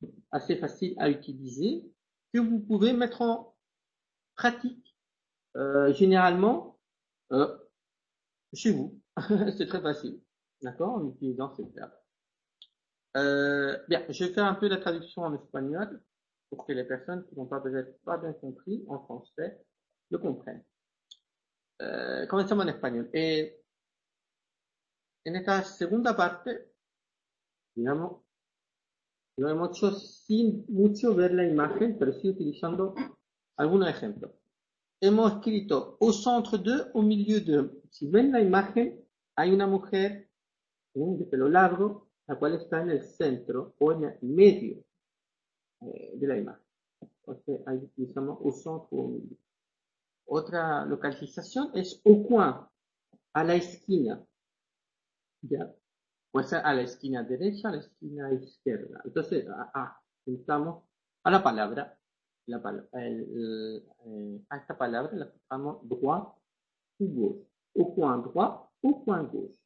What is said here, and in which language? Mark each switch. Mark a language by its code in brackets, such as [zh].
[fr] Assez facile à utiliser, que vous pouvez mettre en pratique généralement chez vous. C'est très facile, d'accord, en utilisant ces termes. Bien, je vais faire un peu la traduction en espagnol pour que les personnes qui n'ont peut-être pas bien compris en français le comprennent. [es] Comenzamos en espagnol. En esta segunda parte, digamos, lo hemos hecho sin mucho ver la imagen, pero sí utilizando algunos ejemplos. Hemos escrito [fr] au centre de, au milieu de. [es] Si ven la imagen, hay una mujer de pelo largo, la cual está en el centro o en el medio de la imagen. Entonces, ahí utilizamos [fr] au centre [es] o [fr] au milieu. [es] Otra localización es [fr] au coin, [es] a la esquina. Ya, puede ser a la esquina derecha, a la esquina izquierda. Entonces, juntamos a la palabra, a esta palabra la juntamos [fr] droit ou gauche. Au coin droit, au coin gauche.